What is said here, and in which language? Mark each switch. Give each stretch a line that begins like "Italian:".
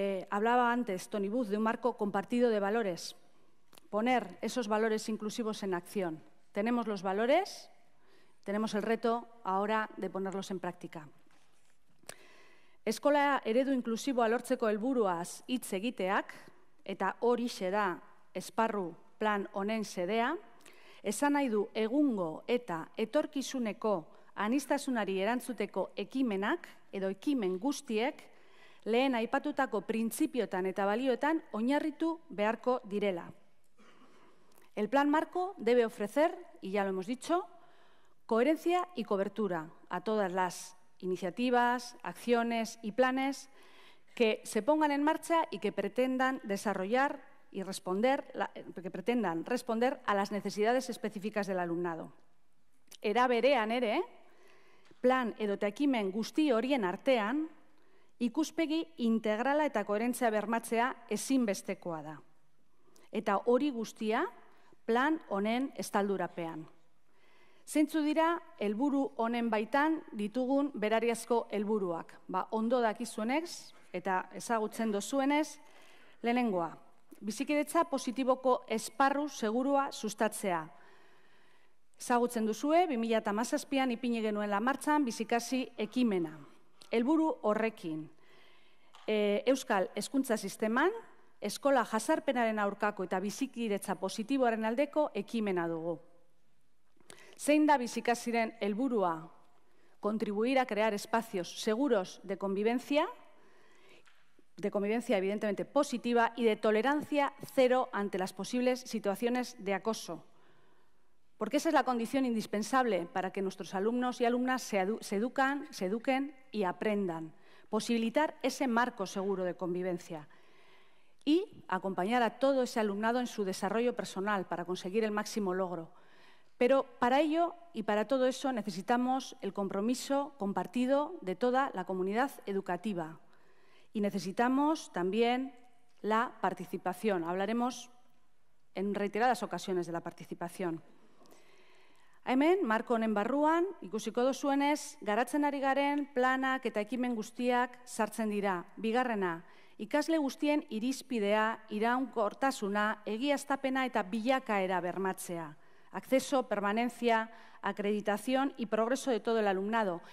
Spanish: Hablaba antes Toni Buz de un marco compartido de valores. Poner esos valores inclusivos en acción. Tenemos los valores, tenemos el reto ahora de ponerlos en práctica.
Basque: Eskola eredu inklusiboa lortzeko helburuaz hitz egiteak, eta hori da esparru plan honen sedea, esan nahi du egungo eta etorkizuneko aniztasunari erantzuteko ekimenak edo ekimen guztiek lehen aipatutako printzipiotan eta balioetan oinarritu beharko direla.
Spanish: El plan marco debe ofrecer, y ya lo hemos dicho, coherencia y cobertura a todas las iniciativas, acciones y planes que se pongan en marcha y que pretendan desarrollar y responder, que pretendan responder a las necesidades específicas del alumnado.
Basque: Era berean ere, plan edo ekimen guzti horien artean, ikuspegi integrala eta koherentzia bermatzea ezinbestekoa da. Eta hori guztia plan honen estaldurapean. Zeintzu dira helburu honen baitan ditugun berariazko helburuak? Ba, ondo dakizuenez, eta ezagutzen dozuenez, lehenengoa, bizikidetza positiboko esparru segurua sustatzea. Ezagutzen duzue, 2017an ipini genuen lamartzan bizikasi ekimena. Helburu horrekin, Euskal Hezkuntza Sisteman, eskola jazarpenaren aurkako eta bizikidetza positiboaren aldeko ekimena dugu. Zein da bizikasiren helburua?
Spanish: Contribuir a crear espacios seguros de convivencia evidentemente positiva y de tolerancia cero ante las posibles situaciones de acoso. Porque esa es la condición indispensable para que nuestros alumnos y alumnas se eduquen y aprendan. Posibilitar ese marco seguro de convivencia y acompañar a todo ese alumnado en su desarrollo personal para conseguir el máximo logro. Pero para ello y para todo eso necesitamos el compromiso compartido de toda la comunidad educativa y necesitamos también la participación. Hablaremos en reiteradas ocasiones de la participación.
Basque: Hemen, marko honen barruan, ikusiko duzuenez, garatzen ari garen planak eta ekimen guztiak sartzen dira. Bigarrena, ikasle guztien irizpidea, iraunkortasuna, egiaztapena eta bilakaera bermatzea.
Spanish: Acceso, permanencia, acreditación y progreso de todo el alumnado.